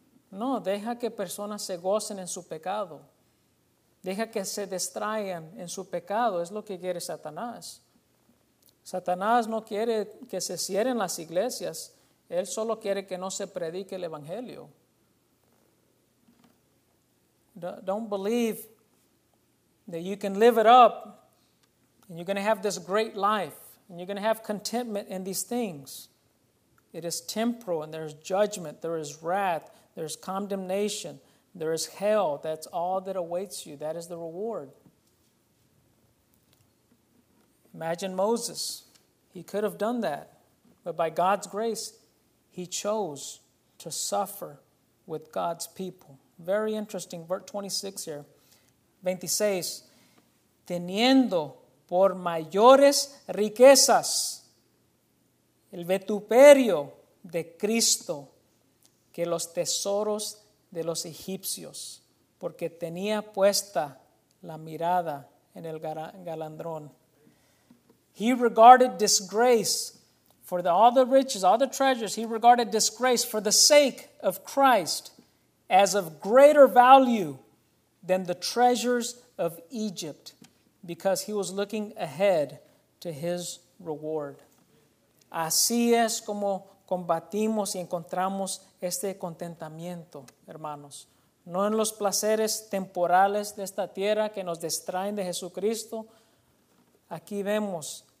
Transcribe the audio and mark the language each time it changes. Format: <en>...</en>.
<es>No, deja que personas se gocen en su pecado. Deja que se distraigan en su pecado. Es lo que quiere Satanás. Satanás no quiere que se cierren las iglesias. Él solo quiere que no se predique el Evangelio.</es> <en>Don't believe that you can live it up and you're going to have this great life and you're going to have contentment in these things. It is temporal and there's judgment, there is wrath, there's condemnation. There is hell. That's all that awaits you. That is the reward. Imagine Moses. He could have done that. But by God's grace, he chose to suffer with God's people. Very interesting. Verse 26 here. 26.</en> <es>Teniendo por mayores riquezas el vituperio de Cristo que los tesoros de los egipcios, porque tenía puesta la mirada en el galardón.</es> <en>He regarded disgrace for all the riches, all the treasures. He regarded disgrace for the sake of Christ as of greater value than the treasures of Egypt, because he was looking ahead to his reward.</en> <es>Así es como combatimos y encontramos este contentamiento, hermanos. No en los placeres temporales de esta tierra que nos distraen de Jesucristo. Aquí vemos</es>